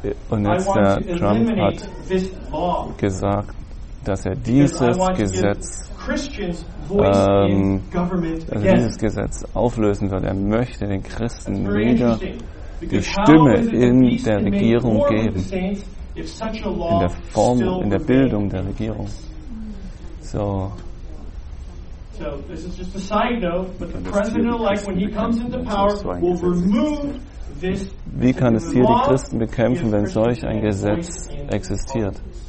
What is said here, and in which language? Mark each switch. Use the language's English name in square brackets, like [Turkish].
[German] Und jetzt der Trump hat gesagt, dass er dieses Gesetz auflösen wird. Er möchte den Christen wieder die Stimme in der Regierung geben. in der Form, in der Bildung der Regierung. So. [English] So this is just a side note, but the president-elect, when he comes into power, will remove this. [German] Wie kann es hier die Christen bekämpfen, wenn solch ein Gesetz existiert?